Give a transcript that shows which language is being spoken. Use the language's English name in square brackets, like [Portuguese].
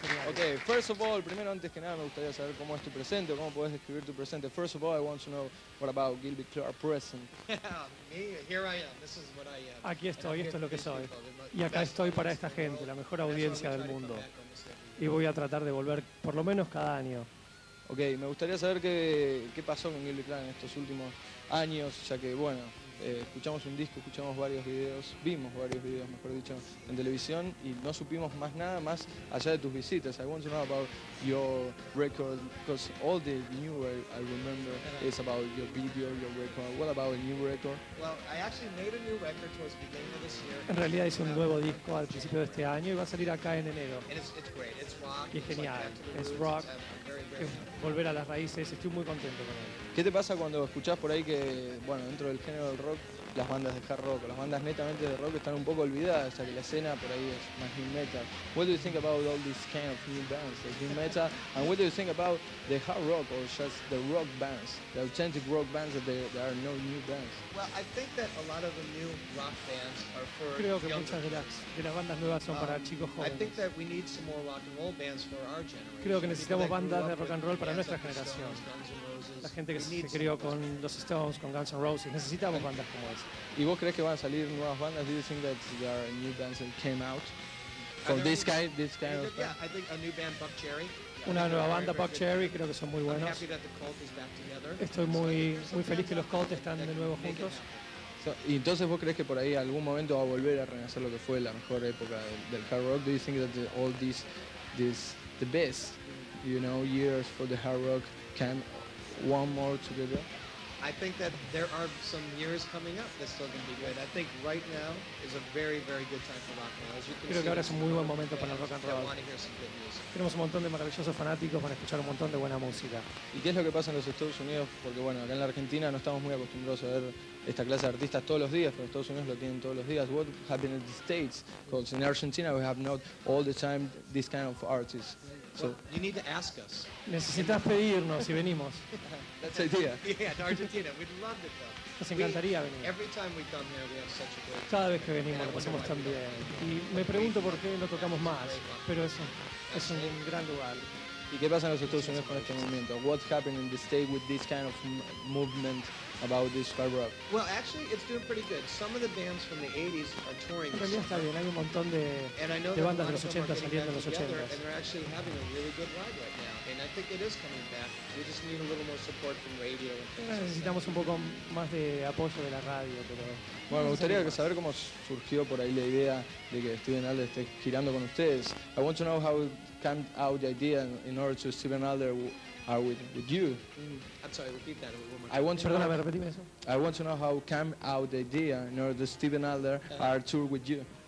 [English] Okay, first of all, [Spanish] primero antes que nada me gustaría saber cómo es tu presente, cómo puedes describir tu presente. [English] First of all, I want to know what about Gilby Clark present. Me, here I am. This is what I am. [Spanish] Aquí estoy, esto es lo que soy. Y acá estoy para esta gente, la mejor audiencia del mundo. Y voy a tratar de volver por lo menos cada año. Ok, me gustaría saber qué pasó con Gilby Clark en estos últimos años, ya que, bueno, escuchamos un disco, escuchamos varios videos, vimos varios videos, mejor dicho, en televisión, y no supimos más nada más allá de tus visitas. [English] I want to know about your record, because all the new I remember is about your video, your record. What about a new record? Well, I actually made a new record towards the beginning of this year. [Spanish] En realidad hice un nuevo disco al principio de este año y va a salir acá en enero. [English] And it's great, it's rock. [Spanish] Y es genial, es rock. Volver a las raíces, estoy muy contento con él. ¿Qué te pasa cuando escuchás por ahí que, bueno, dentro del género del rock, las bandas de hard rock, las bandas netamente de rock están un poco olvidadas, ya que la escena por ahí es más new metal? [English] What do you think about all these kind of new bands, the new metal? And what do you think about the hard rock or just the rock bands, the authentic rock bands that there are no new bands? Well, I think that a lot of the new rock bands are for [Spanish] creo que muchas de las bandas nuevas son para chicos jóvenes. [English] I think that we need some more rock and roll bands for our generation. [Spanish] Creo que necesitamos bandas de rock and roll para nuestra generación. La gente que se crió con los Stones, con Guns N' Roses, necesitamos bandas como esas. ¿Y vos crees que van a salir nuevas bandas? [English] Do you think that there are new bands that came out for this kind of? Yeah, I think a new band, Buck Cherry. [Spanish] Una nueva banda, Buck Cherry, creo que son muy buenos. [English] I'm happy that the Cult is back together. [Spanish] Estoy muy feliz que los Cult están de nuevo juntos. ¿Y entonces vos crees que por ahí algún momento va a volver a renacer lo que fue la mejor época del hard rock? [English] Do you think that all this the best, you know, years for the hard rock can one more together? I think that there are some years coming up that's still going to be good. I think right now is a very, very good time for rock and roll. As you can [Spanish] creo que [English] see, [Spanish] ahora es un muy buen momento para el rock and roll. [English] I want to hear some good music. [Spanish] Tenemos un montón de maravillosos fanáticos, van a escuchar un montón de buena música. ¿Y qué es lo que pasa en los Estados Unidos? Porque bueno, acá en la Argentina no estamos muy acostumbrados a ver esta clase de artistas todos los días, pero en Estados Unidos lo tienen todos los días. [English] What happened in the States? Because in Argentina we have not all the time this kind of artists. So, well, you need to ask us. [Spanish] Necesitas pedirnos si venimos. [English] That's the idea. Yeah, to Argentina. We'd love to come. [Spanish] Nos encantaría venir. [English] Every time we come here, we have such a great. [Spanish] Cada vez que venimos, lo pasamos tan bien. Y me pregunto por qué no tocamos más. Pero es un gran lugar. ¿Y qué pasa en los Estados Unidos con este movimiento? [English] What happened in the state with this kind of movement about this hard rock? Well, actually, it's doing pretty good. Some of the bands from the 80s are touring. [Spanish] En realidad está bien, hay un montón de bandas de los 80 saliendo en los 80. [English] And they're actually having a really good ride right now. And I think it is coming back. We just need a little more support from radio. [Spanish] Necesitamos un poco más de apoyo de la radio, pero bueno, me gustaría saber cómo surgió por ahí la idea de que Steven Adler esté girando con ustedes. [English] I want to know how it came out, the idea, in order to Steven Adler are with you. I'm sorry, repeat that. I want to know how came out the idea in order to Steven Adler are tour with you.